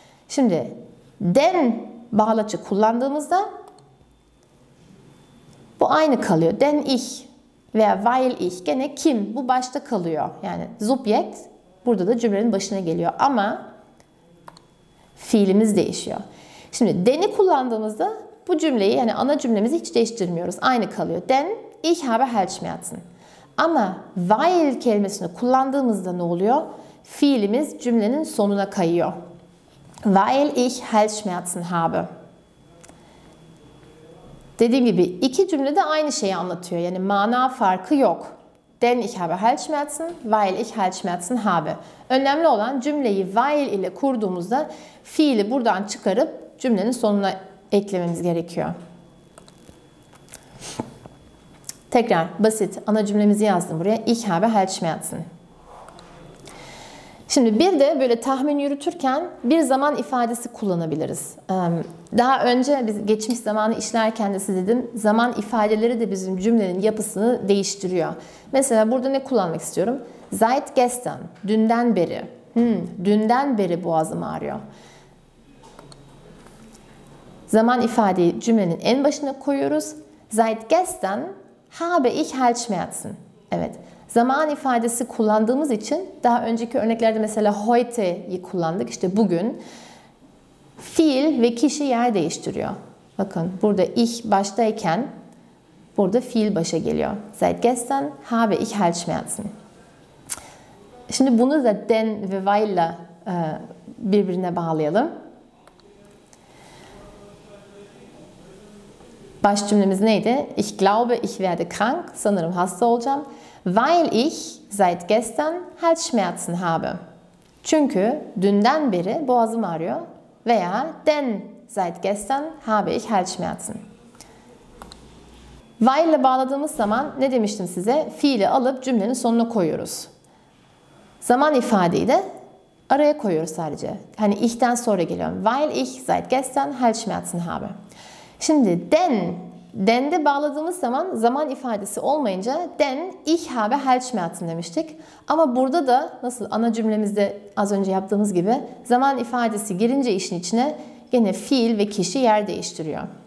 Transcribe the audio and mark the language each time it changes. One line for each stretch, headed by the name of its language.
Turkish: Şimdi den bağlaçı kullandığımızda bu aynı kalıyor.
German: Denn ich
Turkish: veya
German: weil ich
Turkish: gene kim bu başta kalıyor. Yani subjekt Burada da cümlenin başına geliyor ama fiilimiz değişiyor. Şimdi den'i kullandığımızda bu cümleyi, yani ana cümlemizi hiç değiştirmiyoruz. Aynı kalıyor.
German: Den, ich habe Halsschmerzen.
Turkish: Ama weil kelimesini kullandığımızda ne oluyor? Fiilimiz cümlenin sonuna kayıyor.
German: Weil ich Halsschmerzen habe.
Turkish: Dediğim gibi iki cümle de aynı şeyi anlatıyor. Yani mana farkı yok.
German: Denn ich habe Halsschmerzen, weil ich Halsschmerzen habe.
Turkish: Önemli olan cümleyi weil ile kurduğumuzda fiili buradan çıkarıp cümlenin sonuna eklememiz gerekiyor. Tekrar basit ana cümlemizi yazdım buraya.
German: Ich habe Halsschmerzen.
Turkish: Şimdi bir de böyle tahmin yürütürken bir zaman ifadesi kullanabiliriz. Daha önce biz geçmiş zamanı işlerken de size dedim, zaman ifadeleri de bizim cümlenin yapısını değiştiriyor. Mesela burada ne kullanmak istiyorum?
German: Seit gestern,
Turkish: dünden beri. Dünden beri boğazım ağrıyor. Zaman ifadeyi cümlenin en başına koyuyoruz.
German: Seit gestern habe ich Halsschmerzen.
Turkish: Evet. Zaman ifadesi kullandığımız için daha önceki örneklerde mesela heute'yi kullandık. İşte bugün fiil ve kişi yer değiştiriyor. Bakın burada ich baştayken burada fiil başa geliyor.
German: Seit gestern habe ich Halsschmerzen.
Turkish: Şimdi bunu da den ve weil'la birbirine bağlayalım. Baş cümlemiz neydi?
German: Ich glaube ich werde krank.
Turkish: Sanırım hasta olacağım.
German: Weil ich seit gestern Halsschmerzen habe.
Turkish: Çünkü dünden beri boğazım ağrıyor.
German: Veya denn seit gestern habe ich Halsschmerzen.
Turkish: Weil ile bağladığımız zaman ne demiştim size? Fiili alıp cümlenin sonuna koyuyoruz. Zaman ifadeyi de araya koyuyoruz sadece. Hani ich'ten sonra geliyorum.
German: Weil ich seit gestern Halsschmerzen habe.
Turkish: Şimdi denn. Den'de bağladığımız zaman ifadesi olmayınca
German: den ich habe Halsschmerzen
Turkish: demiştik. Ama burada da nasıl ana cümlemizde az önce yaptığımız gibi zaman ifadesi girince işin içine gene fiil ve kişi yer değiştiriyor.